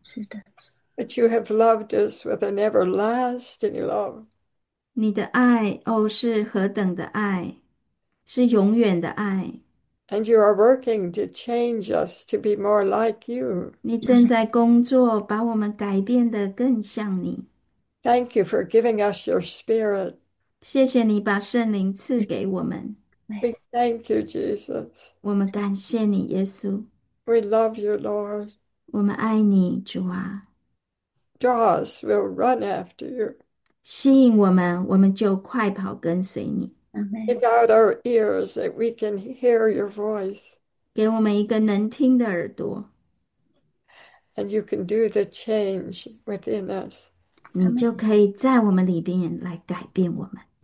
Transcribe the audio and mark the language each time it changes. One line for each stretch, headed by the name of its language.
Chinese: 是的，
English: But you have loved us with an everlasting love.
Chinese: 你的爱，哦，是何等的爱，是永远的爱。
English: And you are working to change us to be more like you.
Chinese: 你正在工作，把我们改变得更像你。
English: Thank you for giving us your spirit.
Chinese: 谢谢你把圣灵赐给我们。
English: We thank you, Jesus.
Chinese: 我们感谢你，耶稣。
English: We love you, Lord.
Chinese: 我们爱你，主啊。
English: Draws will run after you.
Chinese: 吸引我们，我们就快跑跟随你。
English: Give out our ears that we can hear your voice.
Chinese: 给我们一个能听的耳朵。
English: And you can do the change within us.
Chinese: 你就可以在我们里边来改变我们。